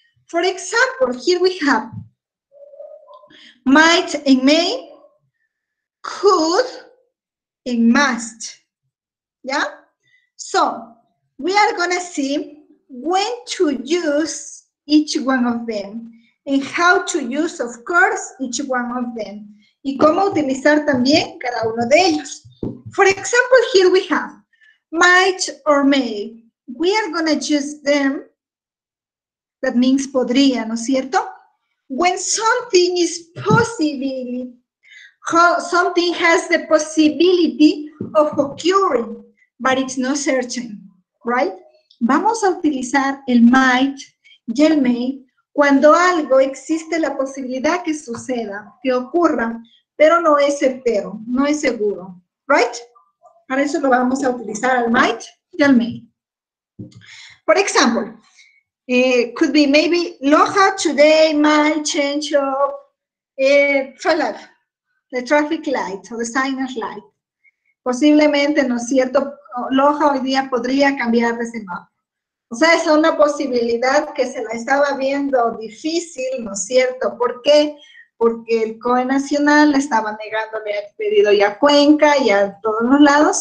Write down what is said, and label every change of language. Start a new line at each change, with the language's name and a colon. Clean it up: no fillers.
English: For example, here we have might and may, could and must. Yeah? So, we are gonna see when to use each one of them and how to use, of course, each one of them.
Spanish: Y cómo utilizar también cada uno de ellos.
English: For example, here we have might or may. We are gonna use them. That means
Spanish: podría, ¿no es cierto?
English: When something is possible, something has the possibility of occurring, but it's not certain, right?
Spanish: Vamos a utilizar el might y el may cuando algo existe la posibilidad que suceda, que ocurra, pero no es certero, no es seguro, right? Para eso lo vamos a utilizar el might y el may.
English: For example, could be maybe Loja today might change up the traffic light or the signage light.
Spanish: Posiblemente, ¿no es cierto? Loja hoy día podría cambiar de semáforo. O sea, es una posibilidad que se la estaba viendo difícil, ¿no es cierto? ¿Por qué? Porque el COE Nacional estaba negándole el pedido ya a Cuenca y a todos los lados.